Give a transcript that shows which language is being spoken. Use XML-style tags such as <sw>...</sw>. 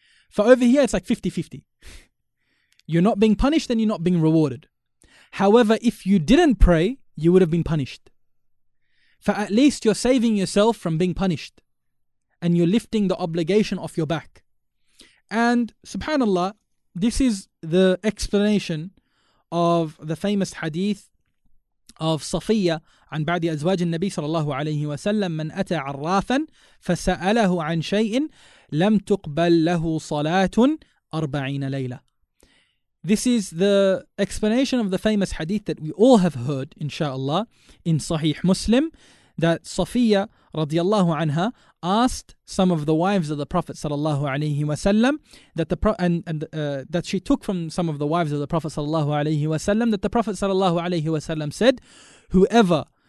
<en>For over here, it's like 50-50. You're not being punished and you're not being rewarded. However, if you didn't pray, you would have been punished. For at least you're saving yourself from being punished and you're lifting the obligation off your back. And subhanallah, this is the explanation of the famous hadith of Safiyyah</en> <ar>عن بعد أزواج النبي صلى الله عليه وسلم من أتى عرافا فسأله عن شيء لم تقبل له صلاة 40 ليلة.</ar> <en>This is the explanation of the famous hadith that we all have heard, inshallah, in Sahih Muslim, that Safiyyah رضي الله عنها asked some of the wives of the Prophet صلى الله عليه وسلم that she took from some of the wives of the Prophet صلى الله عليه وسلم that the Prophet صلى الله عليه وسلم said, whoever</en>